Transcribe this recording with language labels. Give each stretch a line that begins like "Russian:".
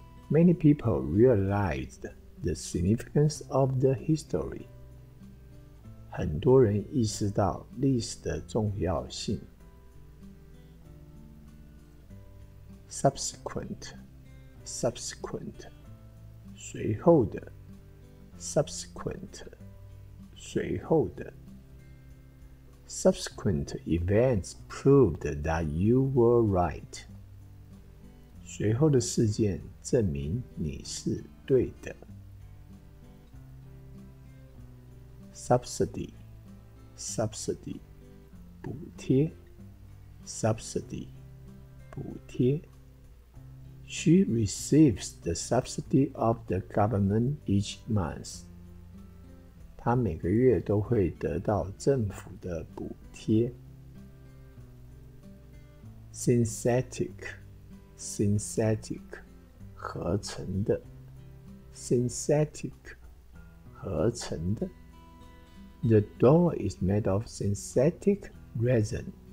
English: Many people realized the significance of the history.
Chinese: 很多人意识到历史的重要性。 Subsequent, 随后的。Subsequent, 随后的。
English: Subsequent events proved that you were right.
Chinese: 随后的事件证明你是对的。 Subsidy, subsidy, 补贴。 Subsidy, 补贴。
English: She receives the subsidy of the government each month.
Chinese: 她每个月都会得到政府的补贴。 Synthetic, synthetic, 合成的。
English: Synthetic, 合成的。The door is made of synthetic resin.